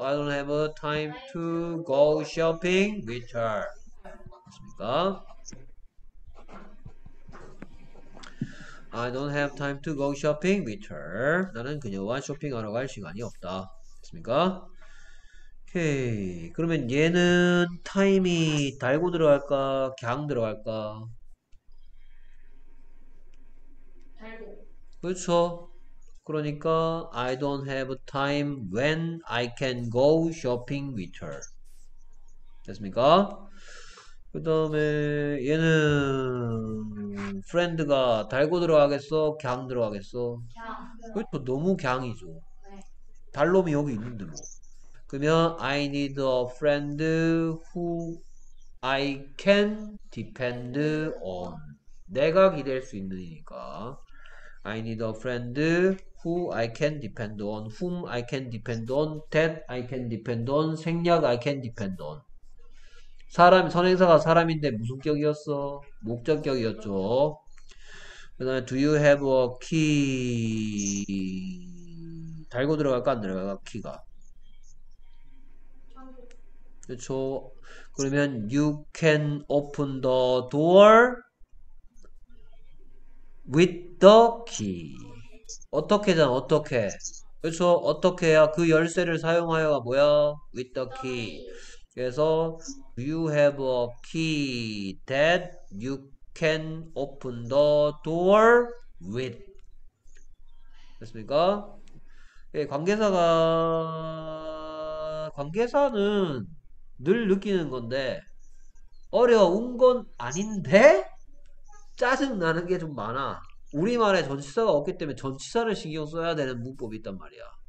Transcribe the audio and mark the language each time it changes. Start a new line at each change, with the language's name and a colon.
English: I don't have a time to go shopping with her.
Korean: 맞습니까?
English: I don't have time to go shopping with her.
Korean: 나는 그녀와 쇼핑하러 갈 시간이 없다. 맞습니까? 오케이. 그러면 얘는 타임이 달고 들어갈까? 걍 들어갈까? 그렇죠? 그러니까
English: I don't have time when I can go shopping with her.
Korean: 됐습니까? 그 다음에 얘는 friend가 달고 들어가겠어? 걍 들어가겠어? 그렇죠. 너무 걍이죠. 달놈이 여기 있는데 뭐. 그러면
English: I need a friend who I can depend on.
Korean: 내가 기댈 수 있는이니까.
English: I need a friend who I can depend on, whom I can depend on, that I can depend on, 생략 I can depend on.
Korean: 사람, 선행사가 사람인데 무슨 격이었어? 목적격이었죠. 그다음에
English: do you have a key?
Korean: 달고 들어갈까 안 들어갈까 키가. 그렇죠. 그러면
English: you can open the door with the key.
Korean: 어떻게든 어떻게. 그렇죠. 어떻게 해야 그 열쇠를 사용하여가 뭐야?
English: with the key.
Korean: 그래서
English: do you have a key that you can open the door with?
Korean: 됐습니까? 예, 관계사는 늘 느끼는 건데 어려운 건 아닌데 짜증 나는 게좀 많아. 우리말에 전치사가 없기 때문에 전치사를 신경 써야 되는 문법이 있단 말이야.